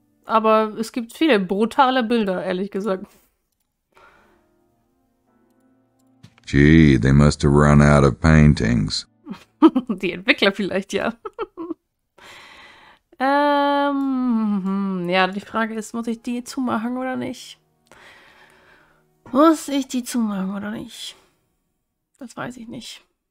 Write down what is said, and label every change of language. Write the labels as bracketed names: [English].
[German] Aber es gibt viele brutale Bilder, ehrlich gesagt. [English] Gee, they must have run out of paintings. [German] Die Entwickler vielleicht, ja. ja, die Frage ist, muss ich die zumachen oder nicht? Muss ich die zumachen oder nicht? Das weiß ich nicht.